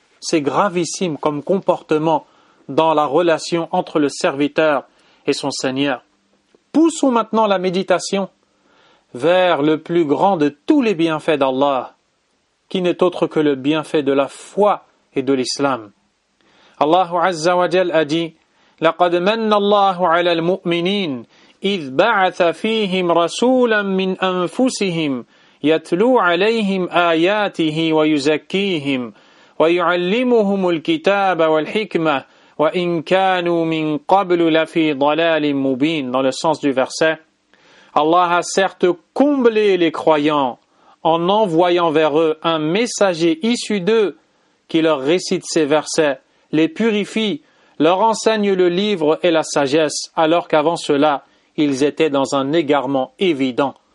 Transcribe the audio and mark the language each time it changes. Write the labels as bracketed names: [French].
[French] C'est gravissime comme comportement dans la relation entre le serviteur et son Seigneur. Poussons maintenant la méditation vers le plus grand de tous les bienfaits d'Allah, qui n'est autre que le bienfait de la foi et de l'islam. Allah Azza wa Jal a dit: [Arabic] لقد من الله على المؤمنين إذ بعث فيهم رسولا من أنفسهم يتلو عليهم آياته ويزكيهم ويعلمهم الكتاب والحكمة وإن كانوا من قبل لفي ضلال مبين. [French] Dans le sens du verset, Allah a certes comblé les croyants en envoyant vers eux un messager issu d'eux qui leur récite ces versets, les purifie, leur enseigne le livre et la sagesse, alors qu'avant cela, ils étaient dans un égarement évident.